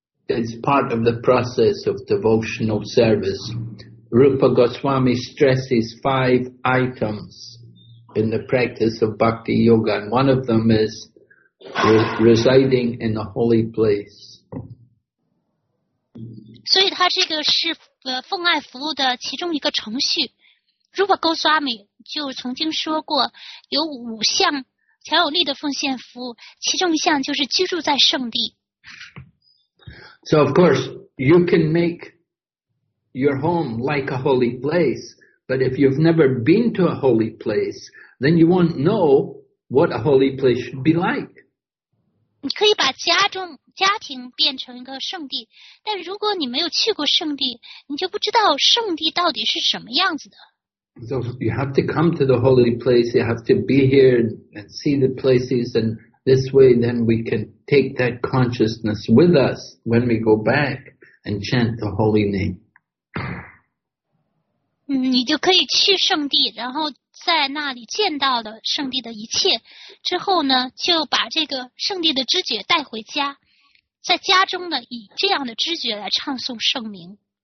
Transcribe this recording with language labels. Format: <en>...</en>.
<en>is part of the process of devotional service. Rupa Goswami stresses five items in the practice of Bhakti Yoga, and one of them is residing in the holy place.</en> <zh>所以他这个是奉爱服务的其中一个程序。如果 Goswami 就曾经说过，有五项强有力的奉献服务，其中一项就是居住在圣地。</zh> <en>So of course, you can make your home like a holy place, but if you've never been to a holy place, then you won't know what a holy place should be like.</en> <zh>你可以把家中家庭变成一个圣地，但如果你没有去过圣地，你就不知道圣地到底是什么样子的。</zh> <en>So you have to come to the holy place, you have to be here and see the places, and this way then we can take that consciousness with us when we go back and chant the holy name.</en> <zh>你就可以去圣地，然后在那里见到了圣地的一切，之后呢，就把这个圣地的知觉带回家。在家中呢，以这样的知觉来唱诵圣名。</zh>